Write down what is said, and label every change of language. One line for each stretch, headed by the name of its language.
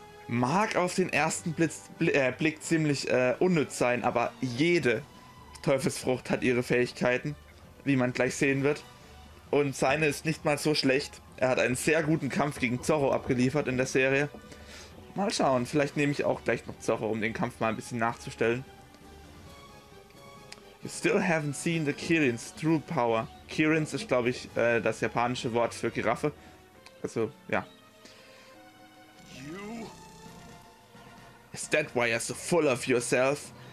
German: Mag auf den ersten Blick ziemlich unnütz sein, aber jede Teufelsfrucht hat ihre Fähigkeiten, wie man gleich sehen wird. Und seine ist nicht mal so schlecht. Er hat einen sehr guten Kampf gegen Zorro abgeliefert in der Serie. Mal schauen, vielleicht nehme ich auch gleich noch Zorro, um den Kampf mal ein bisschen nachzustellen.
English: You still haven't seen the Kirin's true power.
German: Kirin's ist, glaube ich, das japanische Wort für Giraffe. Also, ja.
English: You? Is that why you're so full of yourself?